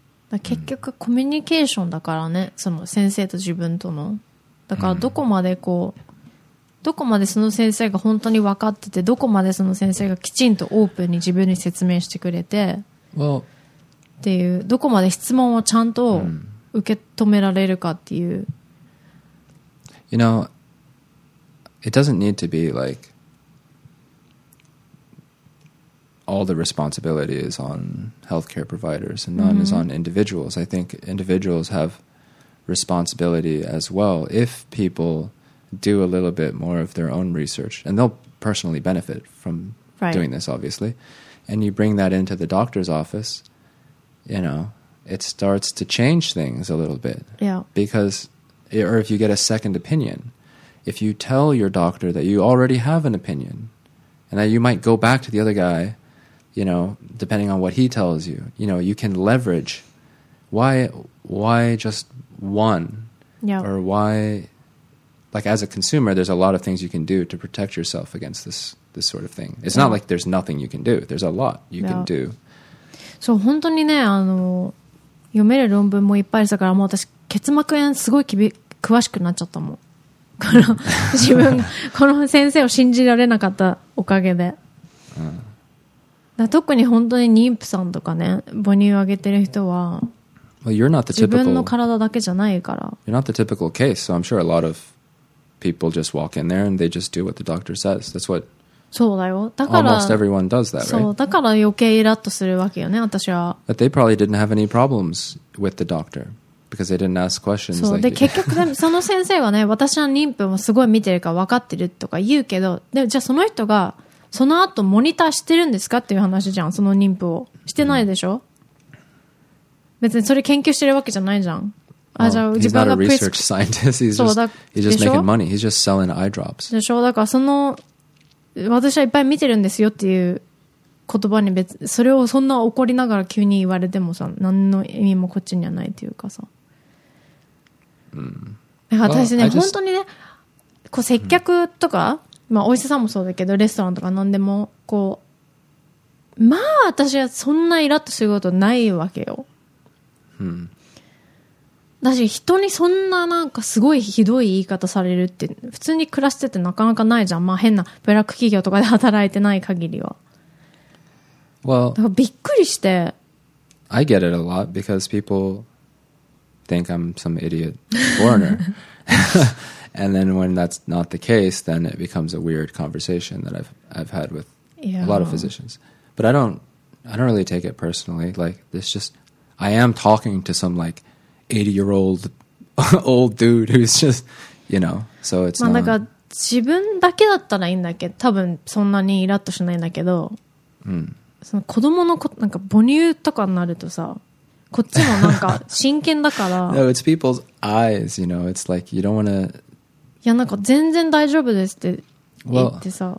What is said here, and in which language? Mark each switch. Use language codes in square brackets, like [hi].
[ja] だ結局コミュニケーションだからね、うん、その先生と自分との。だからどこまでこう、うん、どこまでその先生が本当に分かってて、どこまでその先生がきちんとオープンに自分に説明してくれて、 well, っていう、どこまで質問をちゃんと受け止められるかっていう。 [en] You know, it doesn't need to be like all the responsibility is on healthcare providers and none、mm-hmm. is on individuals. I think individuals have responsibility as well if people... do a little bit more of their own research, and they'll personally benefit from、right. doing this, obviously. And you bring that into the doctor's office, you know, it starts to change things a little bit. Yeah. Because, it, or if you get a second opinion, if you tell your doctor that you already have an opinion and that you might go back to the other guy, you know, depending on what he tells you, you know, you can leverage. Why just one? Yeah. Or why... Like, as a consumer, there's a lot of things you can do to protect yourself against this sort of thing. It's、yeah. not like there's nothing you can do. There's a lot you、yeah. can do. [ja] そう、本当にね、あの、読める論文もいっぱいですから、もう私、結膜炎すごい詳しくなっちゃったもん。この、自分、この先生を信じられなかったおかげで。だ特に本当に妊婦さんとかね、母乳あげてる人は、 [en] well, you're not the typical, [ja] 自分の体だけじゃないから。 [en] You're not the typical case, so I'm sure a lot ofPeople just walk in there and they just do what the doctor says. That's what [ja] そうだよ。だから [en] almost everyone does that, [ja] そう、 [en] right? [ja] だから余計イラッとするわけよね、私は。 [en] But they probably didn't have any problems with the doctor because they didn't ask questions. [ja] そう、 like、で結局でもその先生はね、私の妊婦もすごい見てるから分かってるとか言うけど、でじゃあその人がその後モニターしてるんですかっていう話じゃん、その妊婦を。してないでしょ、mm. 別にそれ研究してるわけじゃないじゃん。 [en] Well, he's not a research scientist. He's just making money. He's just selling eye drops. [ja] でしょ？だからその、私はいっぱい見てるんですよっていう言葉に別、それをそんな怒りながら急に言われてもさ、何の意味もこっちにはないっていうかさ。 Mm. だから私ね、well, 本当にね、こう接客とか、mm. まあお医者さんもそうだけど、レストランとか何でも、こう、まあ私はそんなイラッとすることないわけよ。うん。だし人にそんななんかすごいひどい言い方されるって普通に暮らしててなかなかないじゃん。まあ変なブラック企業とかで働いてない限りは。 Well, だからびっくりして。 [en] I get it a lot because people think I'm some idiot foreigner. And then when that's not the case, then it becomes a weird conversation that I've had with、 yeah. a lot of physicians. But I don't really take it personally. Like, it's just, I am talking to some like,80-year-old old dude who's just, you know, so it's [ja] まあなんか自分だけだったらいいんだけど、多分そんなにイラッとしないんだけど、うん、その子供のこなんか母乳とかになるとさ、こっちもなんか真剣だから。 [en] No, it's people's eyes, you know. It's like you don't wanna. [ja] いやなんか全然大丈夫ですって言ってさ。